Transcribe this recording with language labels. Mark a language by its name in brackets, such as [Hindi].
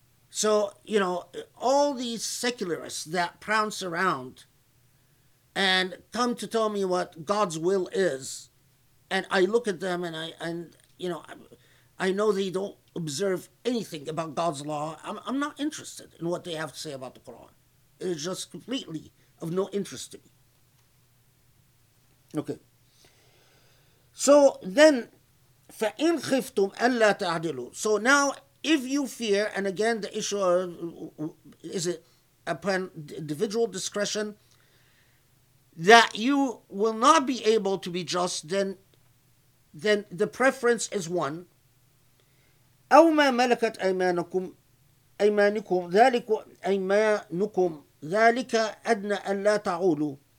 [English] So, you know, all these secularists that prance around and come to tell me what God's will is, and I look at them and I know they don't observe anything about God's law. I'm not interested in what they have to say about the Quran. It is just completely of no interest to me. Okay. So then, [Arabic] فَإِنْ خِفْتُمْ أَلَّا تَعْدِلُوا. [English] So now, if you fear, and again, the issue of, is it upon individual discretion, that you will not be able to be just, then the preference is one. [Arabic] أَوْ مَا مَلَكَتْ أَيْمَانُكُمْ ذَلِكَ أَدْنَى أَلَّا تَعُولُوا.